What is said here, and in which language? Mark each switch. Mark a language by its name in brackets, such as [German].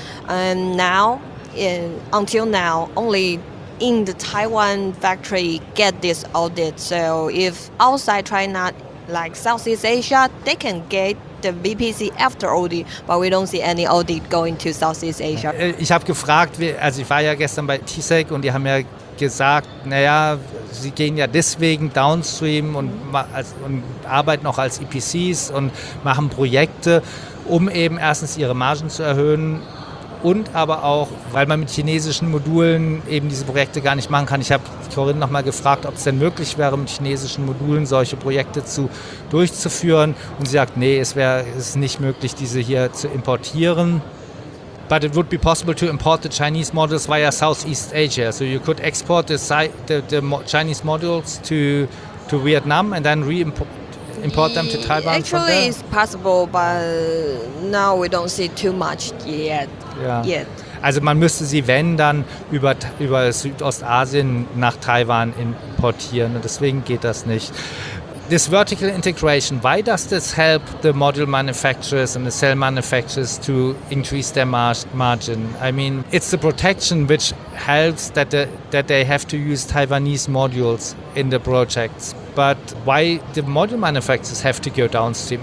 [English] And now, until now, only in the Taiwan factory get this audit. So if outside China, like Southeast Asia, they can get the VPC after audit, but we don't see any audit going to Southeast Asia. [German] Ich habe gefragt, also ich war ja gestern bei TSEC und die haben ja gesagt, naja, sie gehen ja deswegen downstream und arbeiten auch als EPCs und machen Projekte, um eben erstens ihre Margen zu erhöhen und aber auch, weil man mit chinesischen Modulen eben diese Projekte gar nicht machen kann. Ich habe Corinne nochmal gefragt, ob es denn möglich wäre, mit chinesischen Modulen solche Projekte durchzuführen und sie sagt, nee, es ist nicht möglich, diese hier zu importieren. [English] But it would be possible to import the Chinese modules via Southeast Asia. So you could export the Chinese modules to Vietnam and then import them to Taiwan. Actually, from there. It's possible, but now we don't see too much yet. Yeah. Yet. [German] Also man müsste sie, wenn, dann über Südostasien nach Taiwan importieren. Und deswegen geht das nicht. [English] This vertical integration, why does this help the module manufacturers and the cell manufacturers to increase their margin? I mean, it's the protection which helps that they have to use Taiwanese modules in the projects. But why the module manufacturers have to go downstream?